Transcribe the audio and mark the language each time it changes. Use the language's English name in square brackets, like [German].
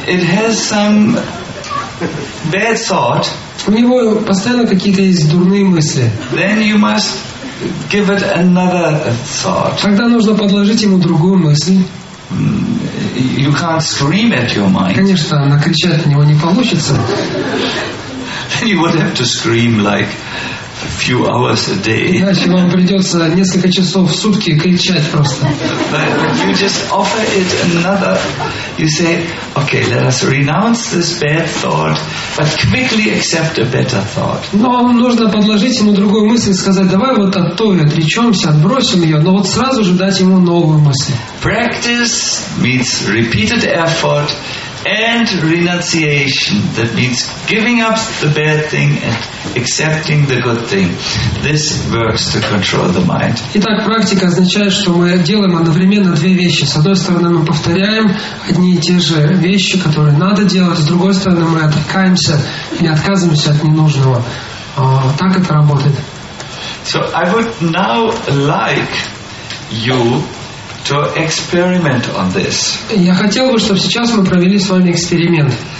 [English] It has some bad thought. [Russian] У него постоянно какие-то есть дурные мысли. [English] Then you must give it another thought. [Russian] Тогда нужно подложить ему другую мысль. [English] You can't scream at your mind. [Russian] Конечно, накричать на него не получится. [English] You would have to scream like a few hours a day. [Russian] Иначе вам придется несколько часов в сутки кричать просто. [English] You just offer it another. You say, okay, let us renounce this bad thought, but quickly accept a better thought. [Russian] Но нужно подложить ему другую мысль и сказать, давай вот от той отречемся, отбросим ее, но вот сразу же дать ему новую мысль. [English] Practice means repeated effort. And renunciation, that means giving up the bad thing and accepting the good thing. This works to control the mind. [Russian] Итак, практика означает, что мы делаем одновременно две вещи. С одной стороны, мы повторяем одни и те же вещи, которые надо делать. С другой стороны, мы отвлекаемся и отказываемся от ненужного. Так это работает. [English] So I would now like you to experiment on this. [Russian] Я хотел бы, чтобы сейчас мы провели с вами эксперимент.